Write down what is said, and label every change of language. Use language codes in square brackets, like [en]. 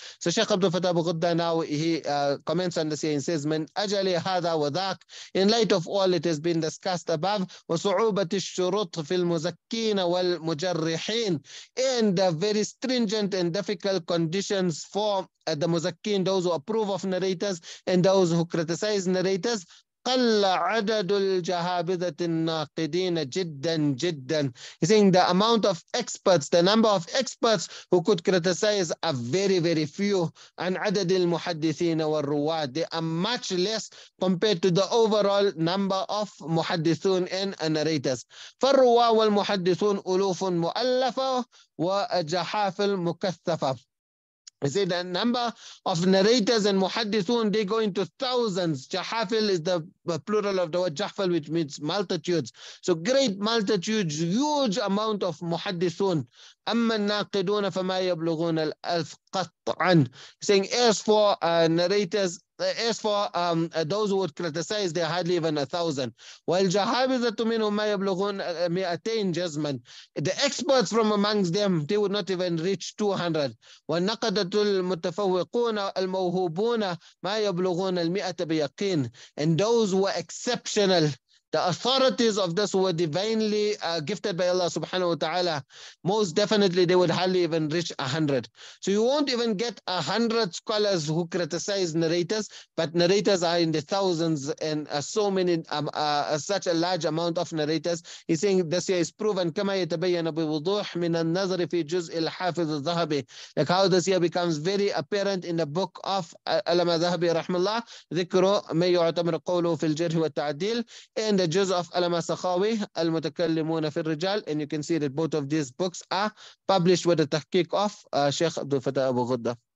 [en] So Shaykh Abdul Fattah Abu Ghuddah now, he comments on this and says, [ar] من أجل هذا وذاك, [en] in light of all it has been discussed above, [ar] وصعوبة الشروط في المزكين والمجرحين, [en] and the very stringent and difficult conditions for the muzakkin, those who approve of narrators, and those who criticize narrators, [ar] قل عدد الجهابذة الناقدين جدا جدا. [en] He's saying the amount of experts, the number of experts who could criticize are very, very few. [ar] عن عدد المحدثين والرواة, [en] they are much less compared to the overall number of محدثون and narrators. [ar] فالرواة والمحدثون ألوف مؤلفة وجحافل مكثفة. [en] He said the number of narrators and muhaddithun, they go into thousands. Jahafil is the plural of the word jahfal, which means multitudes. So great multitudes, huge amount of muhaddithun. [ar] أَمَّا النَّاقِدُونَ فَمَا يَبْلُغُونَ الْأَلْفِ قَطْعًا. [en] Saying as for narrators, as for those who would criticize, they're hardly even 1,000. [ar] وَالْجَحَابِذَةُ مِنْهُمْ مَا يَبْلُغُونَ مِئَتَيْنَ جَزْمًا. [en] The experts from amongst them, they would not even reach 200. [ar] وَالنَّقَدَةُ الْمُتَفَوِّقُونَ الْمَوْهُوبُونَ مَا يَبْلُغُونَ الْمِئَةَ بِيَقِينَ. [en] And those who were exceptional, the authorities of this were divinely gifted by Allah subhanahu wa ta'ala, most definitely they would hardly even reach 100. So you won't even get 100 scholars who criticize narrators, but narrators are in the thousands, and so many, such a large amount of narrators. He's saying this year is proven, [ar] كَمَا يَتَبَيَّنَ بِوضُوحٍ مِنَ النَّظَرِ فِي جُزْءِ الْحَافِظِ الذَّهَبِ. [en] Like how this year becomes very apparent in the book of Alama Zahabi rahmallah, [ar] ذِكْرُ مَنْ يُعْتَمِرُ قَوْلُهُ فِي الْجَرْحِ وَالتَّعْدِيلِ, [en] in the juz of Alama Sakhawi, Al-Mutakallimuna fi al-Rijal, and you can see that both of these books are published with the tahqiq of Shaykh Abdul Fattah Abu Ghuddah.